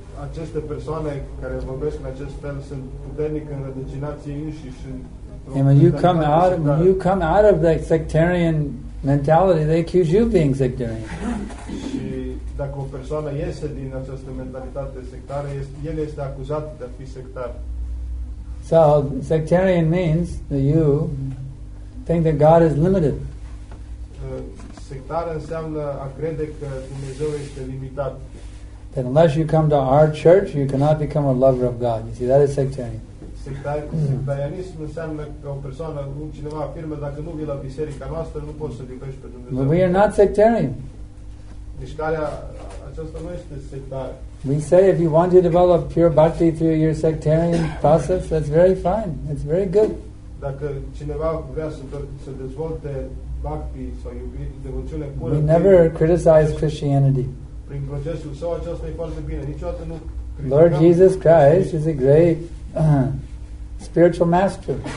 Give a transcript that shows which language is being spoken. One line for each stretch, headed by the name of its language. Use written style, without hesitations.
Romanian: Aceste persoane care vorbesc în acest fel sunt puternic înrădăcinați înșiși în.
English: And when you come out of that sectarian mentality, they accuse you of being sectarian.
Romanian: Și dacă o persoană iese din această mentalitate sectară, el este acuzat de a fi sectar.
English: So sectarian means that you think that God is limited.
Romanian: Sectar înseamnă a crede că Dumnezeu este limitat.
English: That unless you come to our church, you cannot become a lover of God. You see, that is sectarian.
Romanian: Sectarianism înseamnă că o persoană, cineva afirmă, dacă nu vii la biserica noastră, nu poți să-L iubești pe Dumnezeu.
English: But we are not sectarian.
Romanian: Mișcarea aceasta nu este sectară.
English: We say if you want to develop pure bhakti through your sectarian process, that's very fine. It's very good.
Romanian: Dacă cineva vrea să dezvolte bhakti sau iubire, devoțiune pură,
English: we never criticize Christianity.
Romanian: Prin procesul său aceasta e foarte bine. Niciodată nu criticăm.
English: Lord Jesus Christ is a great spiritual master.